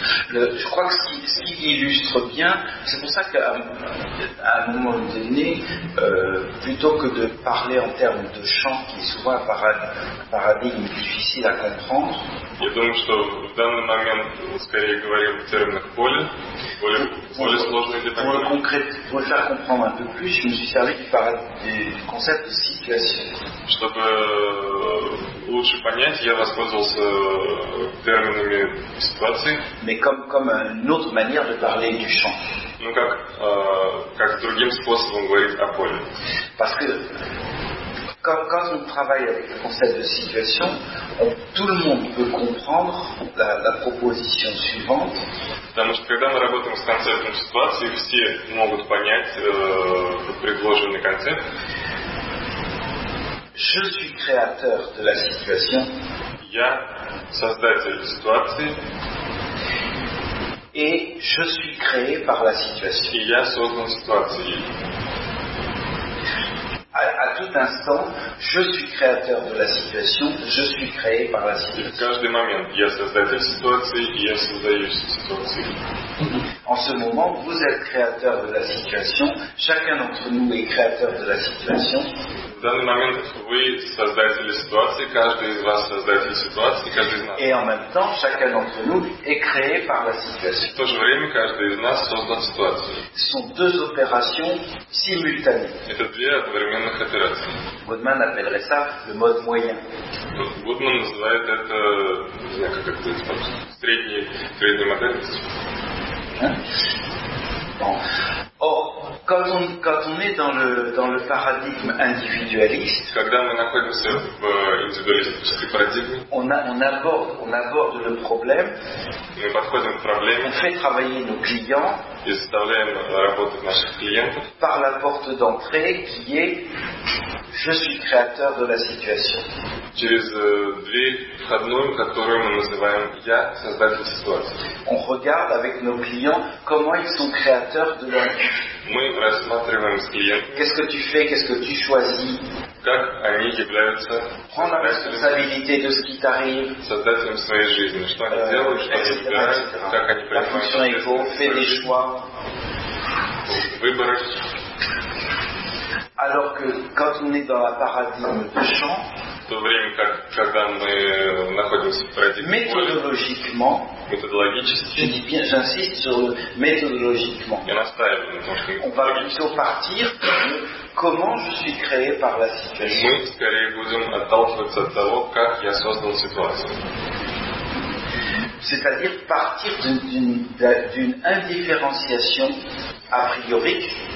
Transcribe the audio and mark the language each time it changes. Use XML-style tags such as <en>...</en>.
<fr>Je crois que ce qui illustre bien, c'est pour ça qu'à un moment donné, plutôt que de parler en termes de champ, qui est souvent un paradigme difficile à comprendre, je pense que dans ce moment, on parlait plutôt de termes de pôle, plus difficile à comprendre. Pour le faire comprendre un peu plus, je me suis servi du concept de situation.</fr> <ru>Чтобы лучше понять, я воспользовался терминами ситуации.</ru> <fr>Mais comme une autre manière de parler du champ.</fr> <ru>Ну как, как другим способом говорить о поле.</ru> <fr>Parce que quand on travaille avec le concept de situation, tout le monde peut comprendre la proposition suivante.</fr> <ru>Потому что когда мы работаем с концептом ситуации, все могут понять предложенный концепт.</ru> <fr>Je suis créateur de la situation.</fr> <ru>Я создатель ситуации.</ru> <fr>Et je suis créé par la situation. Et</fr> <ru>я создан ситуацией.</ru> <fr>À tout instant, je suis créateur de la situation. Je suis créé par la situation.</fr> <ru>В каждый момент я создатель ситуации, и я создаю ситуацию.</ru> <fr>En ce moment, vous êtes créateur de la situation. Chacun d'entre nous est créateur de la situation.</fr> <ru>В данный момент вы создатели ситуации, каждый из вас создатель ситуации, каждый из нас.</ru> <fr>Et en même temps, chacun d'entre nous est créé par la situation.</fr> <ru>В то же время каждый из нас создан ситуацией.</ru> <fr>Ce sont deux opérations simultanées.</fr> <ru>Это две одновременных операции.</ru> <fr>Goodman appellerait ça le mode moyen.</fr> <ru>Goodman называет это, не знаю, как это сказать, средняя модель.</ru> <fr>Or, quand on est dans le paradigme individualiste,</fr> <ru>когда мы находимся в индивидуалистическом парадигме,</ru> <fr>on aborde le problème,</fr> <ru>мы подходим к проблеме,</ru> <fr>on fait travailler nos clients,</fr> <ru>и заставляем работать наших клиентов,</ru> <fr>par la porte d'entrée qui est je suis créateur de la situation.</fr> <ru>Через дверь входную, которую мы называем я создатель ситуации.</ru> <fr>On regarde avec nos clients comment ils sont créateurs de leur vie.</fr> <ru>Мы рассматриваем с клиентом.</ru> <fr>Qu'est-ce que tu fais? Qu'est-ce que tu choisis?</fr> <ru>Как они являются?</ru> <fr>Prends la responsabilité de ce qui t'arrive.</fr> <ru>Создателем своей жизни. Что они делают? Что они выбирают? Как они принимают?</ru> <fr>La fonction ego fait des choix.</fr> <ru>Выборы.</ru> <fr>Alors que quand on est dans la paradigme du champ,</fr> <ru>в то время, когда мы находимся в парадигме, методологически,</ru> <fr>je dis bien, j'insiste sur le méthodologiquement.</fr> <ru>Я настаиваю на том, что</ru> <fr>on va plutôt partir de comment je suis créé par la situation.</fr> <ru>Мы скорее будем отталкиваться от того, как я создал ситуацию.</ru> <fr>C'est-à-dire partir d'une indifférenciation a priori.</fr>